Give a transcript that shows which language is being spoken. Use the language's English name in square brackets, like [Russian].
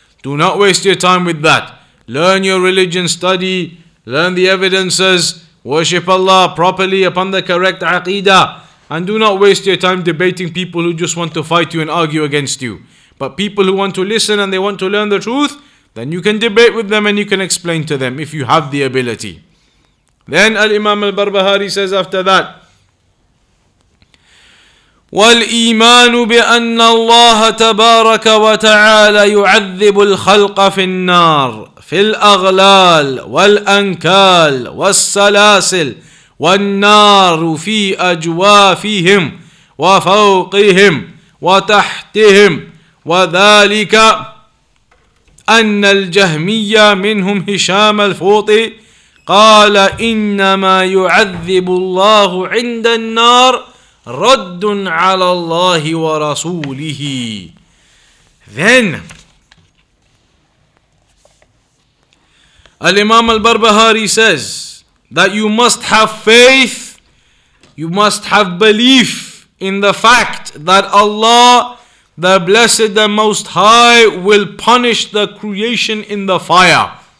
[English] Do not waste your time with that. Learn your religion, study, learn the evidences, worship Allah properly upon the correct Aqeedah, and do not waste your time debating people who just want to fight you and argue against you. But people who want to listen and they want to learn the truth, then you can debate with them and you can explain to them if you have the ability. Then Al-Imam Al-Barbahaaree says after that, [Arabic] والإيمان بأن الله تبارك وتعالى يعذب الخلق في النار في الأغلال والأنكال والسلاسل والنار في أجوافهم وفوقهم وتحتهم وذلك أن الجهمية منهم هشام الفوطي قال إنما يعذب الله عند النار رَدٌ عَلَى اللَّهِ وَرَسُولِهِ. [English] Then Al-Imam Al-Barbahaaree says that you must have faith, you must have belief in the fact that Allah, the Blessed, the Most High, will punish the creation in the fire.